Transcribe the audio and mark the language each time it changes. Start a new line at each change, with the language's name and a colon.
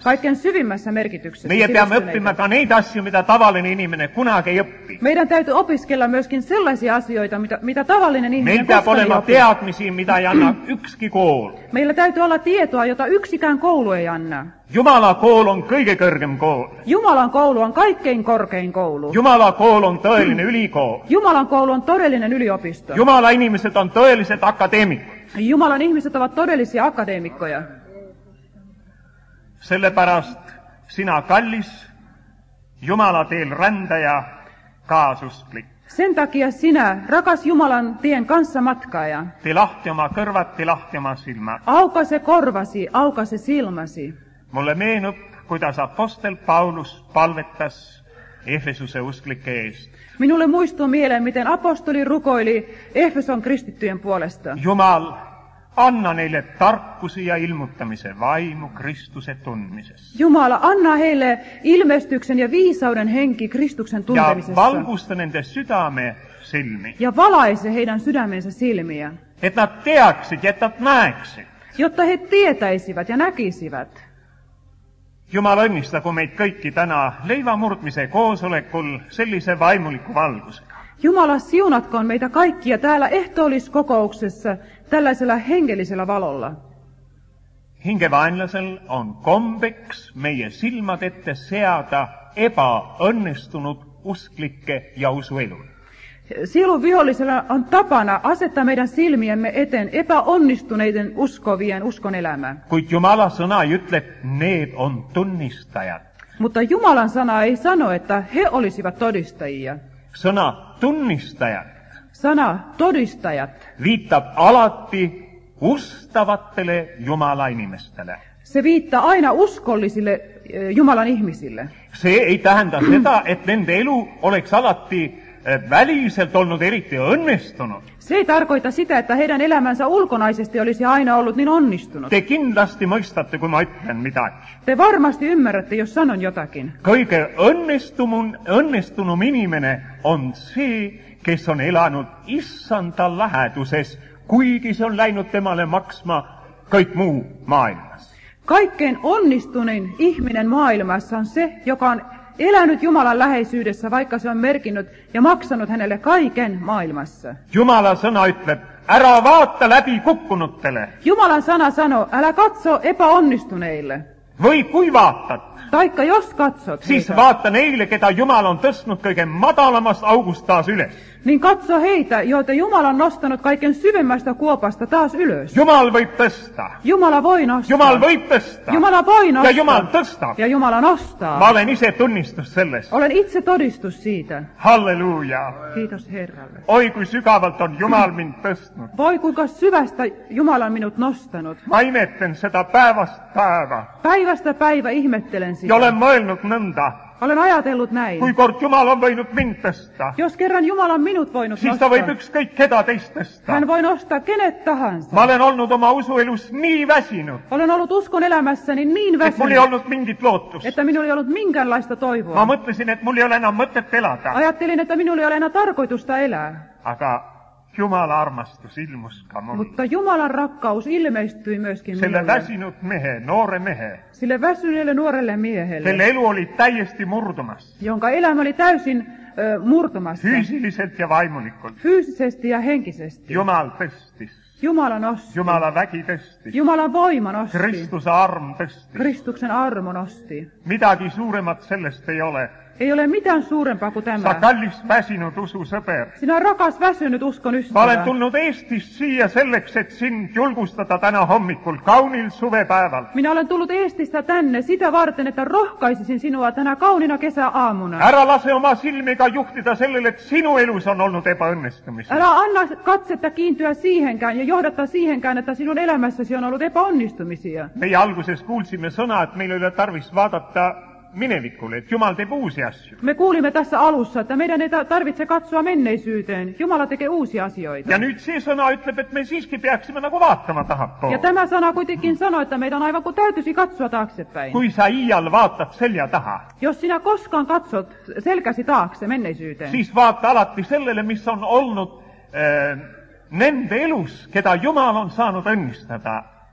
Finnish: Kaiken syvimmässä merkityksessä.
Estonian: Meie peame õppima ka neid asju, mitä tavallinen ihminen kunagi ei õppi.
Finnish: Meidän täytyy opiskella myöskin sellaisia asioita, mitä tavallinen ihminen koskaan ei oppi.
Estonian: Meillä peab olema teadmisiin, mitä ei anna yksikin koulu.
Finnish: Meillä täytyy olla tietoa, jota yksikään koulu ei anna.
Estonian: Jumala koulu on kõige kõrgem koulu.
Finnish: Jumalan koulu on kaikkein korkein koulu.
Estonian: Jumala koulu on tõeline ülikool.
Finnish: Jumalan koulu on todellinen yliopisto.
Estonian: Jumala inimesed on tõelised akadeemikud.
Finnish: Jumalan ihmiset ovat todellisia akadeemikkoja.
Estonian: Sellepärast sinä kallis, Jumala teel rändäjä, kaasusklik.
Finnish: Sen takia sinä, rakas Jumalan tien kanssa matkaaja.
Estonian: Te lahti oma kõrvat, te lahti oma silmät.
Finnish: Auka se korvasi, auka se silmasi.
Estonian: Mulle meenub, kuidas apostel Paulus palvetas Efesuse usklike eest.
Finnish: Minulle muistuu mieleen, miten apostoli rukoili Efeson kristittyjen puolesta.
Estonian: Jumal, anna neille tarkkusi ja ilmuttamise vaimu Kristuse tunnimisessa.
Finnish: Jumala, anna heille ilmestyksen ja viisauden henki Kristuksen tuntemisessa.
Estonian: Ja valgusta nende sydäme silmi.
Finnish: Ja valaise heidän sydämensä silmiä.
Estonian: Et nad teaksid ja et nad näeksid.
Finnish: Jotta he tietäisivät ja näkisivät.
Estonian: Jumala õnnistagu meid kõiki täna leivamurtmise koosolekul sellise vaimuliku valgusega.
Finnish: Jumala, siunatkoon meitä kaikkia täällä ehtooliskokouksessa tällaisella hengellisellä valolla.
Estonian: Hingevaenlasel on kombeks meie silmad ette seada epaõnnistunud usklikke ja usuelu.
Finnish: Sielun vihollisella on tapana asettaa meidän silmiemme eteen epäonnistuneiden uskovien uskonelämä.
Estonian: Kuid Jumala sana ei ütle, need on tunnistajat.
Finnish: Mutta Jumalan sana ei sano, että he olisivat todistajia.
Estonian: Sana tunnistajat.
Finnish: Sana todistajat.
Estonian: Viittab alati ustavattele Jumala inimestele.
Finnish: Se viittaa aina uskollisille Jumalan ihmisille.
Estonian: Se ei tähenda seda, et nende elu oleks alati väliselt olnud eriti õnnestunut.
Finnish: Se ei tarkoita sitä, että heidän elämänsä ulkonaisesti olisi aina ollut niin onnistunut.
Estonian: Te kindlasti mõistate, kun ma ütlen midagi.
Finnish: Te varmasti ymmärrätte, jos sanon jotakin.
Estonian: Kõige õnnestunum inimene on see, kes on elanud issanda läheduses, kuigi se on läinud temale maksma kõik muu maailmas.
Finnish: Kaikkein onnistunein ihminen maailmassa on se, joka on elänyt Jumalan läheisyydessä, vaikka se on merkinnyt ja maksanut hänelle kaiken maailmassa.
Estonian: Jumalan sana ütleb, ära vaata läbi kukkunuttele.
Finnish: Jumalan sana sanoo, älä katso epäonnistuneille.
Estonian: Või kui vaatat.
Finnish: Taikka jos katsot. Siis heitä.
Estonian: Vaata neille, keda Jumal on tõstnud kõige madalamast august taas üles.
Finnish: Niin katso heitä, joita Jumal on nostanut kaiken syvemmästä kuopasta taas ylös.
Estonian: Jumal võib tõsta.
Finnish: Jumala voi nostaa.
Estonian: Jumal võib tõsta.
Finnish: Jumala voi nostaa.
Estonian: Ja Jumal tõstab.
Finnish: Ja Jumala nostaa.
Estonian: Ma olen ise tunnistus sellest.
Finnish: Olen itse todistus siitä.
Estonian: Halleluja.
Finnish: Kiitos Herralle.
Estonian: Oi kui sügavalt on Jumal mind tõstnud.
Finnish: Voi kuinka syvästä Jumala on minut nostanut.
Estonian: Ma imetlen seda päevast päeva.
Finnish: Päivästä päivä ihmettelen sitä.
Estonian: Ja olen mõelnud nõnda.
Finnish: Olen ajatellut näin.
Estonian: Kui kord Jumal on võinud mind tõsta.
Finnish: Jos kerran Jumal on minut voinut siis nostaa.
Estonian: Siis ta võib üks kõik keda teist tõsta.
Finnish: Hän voi nostaa kenet tahansa.
Estonian: Ma olen olnud oma usuelus nii väsinud.
Finnish: Olen ollut uskon elämässäni niin väsinud.
Estonian: Et mul ei olnud mingit lootust.
Finnish: Että minul ei ollut minkäänlaista toivoa.
Estonian: Ma mõtlesin, et mul ei ole enam mõtet elada.
Finnish: Ajattelin, että minul ei ole enää tarkoitusta elää.
Estonian: Aga Jumala armastus ilmus ka mul.
Finnish: Mutta Jumalan rakkaus ilmestyi myöskin minulle.
Estonian: Selle väsinud mehe, noore mehe.
Finnish: Sille väsyneelle nuorelle miehelle.
Estonian: Selle elu oli täiesti murtumassa.
Finnish: Jonka elämä oli täysin murtumassa.
Estonian: Fyysiliselt ja vaimulikult.
Finnish: Fyysisesti ja henkisesti.
Estonian: Jumal tõstis.
Finnish: Jumala nosti.
Estonian: Jumala vägi tõstis.
Finnish: Jumala voima nosti.
Estonian: Kristuse arm tõstis.
Finnish: Kristuksen armu nosti.
Estonian: Midagi suuremat sellest ei ole.
Finnish: Ei ole mitään suurempaa kuin tämä.
Estonian: Sa kallis väsinud usu sõber.
Finnish: Sinä rakas väsynyt uskon ystävä.
Estonian: Ma olen tulnud Eestist siia selleks, et sind julgustada täna hommikul kaunil suvepäeval.
Finnish: Minä olen tullut Eestistä tänne sitä varten, että rohkaisisin sinua täna kaunina kesäaamuna.
Estonian: Ära lase oma silmiga juhtida sellele, et sinu elus on olnud epäonnistumisia.
Finnish: Ära anna katsetta kiintyä siihenkään ja johdata siihenkään, että sinun elämässäsi on ollut epäonnistumisia.
Estonian: Meie alguses kuulsimme sõna, et meil oli tarvis vaadata minevikule, et Jumal teeb uusi asju.
Finnish: Me kuulimme tässä alussa, että meidän ei tarvitse katsoa menneisyyteen. Jumala tekee uusia asioita.
Estonian: Ja nyt see sõna ütleb, et me siiski peaksime nagu vaatama tahakkoon.
Finnish: Ja tämä sana kuitenkin sanoo, että meidän on aivan kuin täytyisi katsoa taaksepäin.
Estonian: Kui sa iial vaatat selja taha.
Finnish: Jos sinä koskaan katsot selkäsi taakse menneisyyteen.
Estonian: Siis vaata alati sellele, mis on olnud nende elus, keda Jumal on saanud õnnistada.